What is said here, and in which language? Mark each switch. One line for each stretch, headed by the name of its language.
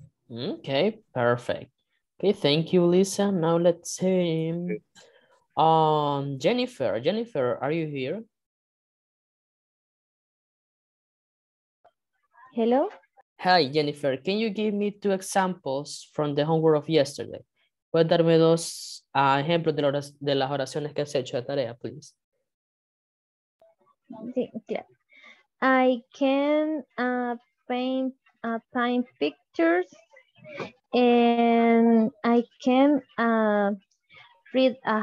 English: Okay, perfect. Okay, thank you, Lisa. Now let's see. Jennifer, are you here? Hello. Hi, Jennifer. Can you give me 2 examples from the homework of yesterday?
Spanish: ¿Puedes darme 2 ejemplos de, de las oraciones que has hecho de tarea, please? Sí, claro.
English: I can paint pictures and I can read